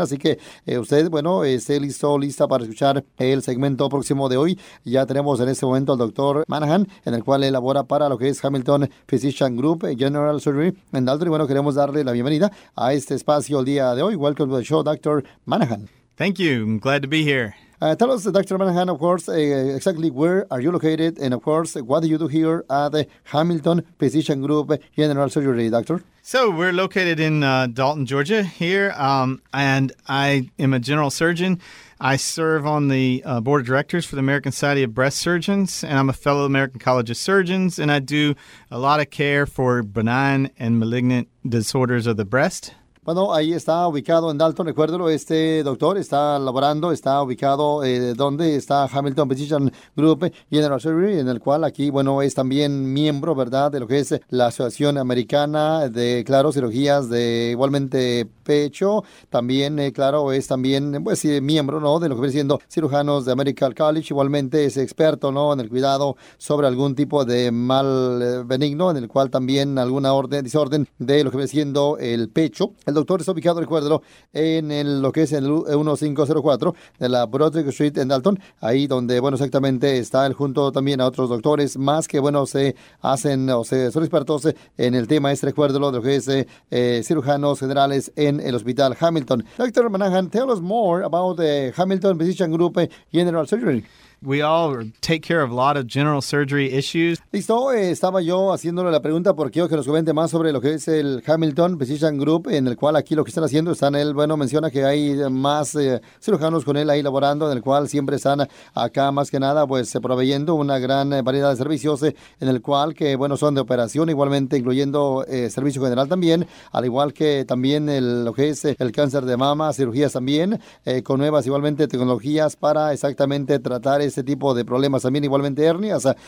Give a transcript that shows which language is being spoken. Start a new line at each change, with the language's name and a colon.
Spanish: Así que usted, bueno, esté listo, lista para escuchar el segmento próximo de hoy. Ya tenemos en este momento al doctor Manahan, en el cual elabora para lo que es Hamilton Physician Group General Surgery en Dalton. Y bueno, queremos darle la bienvenida a este espacio el día de hoy.
English: Welcome to the show, Dr. Manahan. Thank you. I'm glad to be here. Tell us, Dr. Manahan, of course, exactly where are you located? And of course, what do you do here at the Hamilton Physician Group General Surgery, Doctor? So we're located in Dalton, Georgia here, and I am a general surgeon. I serve on the board of directors for the American Society of Breast Surgeons, and I'm a fellow of the American College of Surgeons, and I do a lot of care for benign and malignant disorders of the breast.
Spanish: Bueno, ahí está ubicado en Dalton, recuérdelo, este doctor está laborando, está ubicado donde está Hamilton Physician Group General Surgery, en el cual aquí, bueno, es también miembro, ¿verdad?, de lo que es la Asociación Americana de, claro, cirugías de igualmente pecho, también, claro, es también, pues, miembro, ¿no?, de lo que viene siendo cirujanos de American College, igualmente es experto, ¿no?, en el cuidado sobre algún tipo de mal benigno, en el cual también alguna orden, desorden de lo que viene siendo el pecho. El doctor está ubicado, recuérdelo, en el, lo que es el 1504 de la Broderick Street en Dalton, ahí donde, bueno, exactamente está él junto también a otros doctores más que, bueno, se hacen o se son expertos en el tema, este, recuérdelo, de lo que es cirujanos generales en el Hospital Hamilton.
English: Dr. Manahan, tell us more about the Hamilton Physician Group General Surgery. We all take care of a lot of general surgery issues.
Spanish: Listo, estaba yo haciéndole la pregunta porque quiero que nos comente más sobre lo que es el Hamilton Physician Group, en el cual aquí lo que están haciendo, están él, bueno, menciona que hay más cirujanos con él ahí laborando, en el cual siempre están acá más que nada, pues, proveyendo una gran variedad de servicios, en el cual que, bueno, son de operación, igualmente incluyendo servicio general también, al igual que también el, lo que es el cáncer de mama, cirugías también, con nuevas igualmente tecnologías para exactamente tratar este tipo de problemas, también igualmente hernias.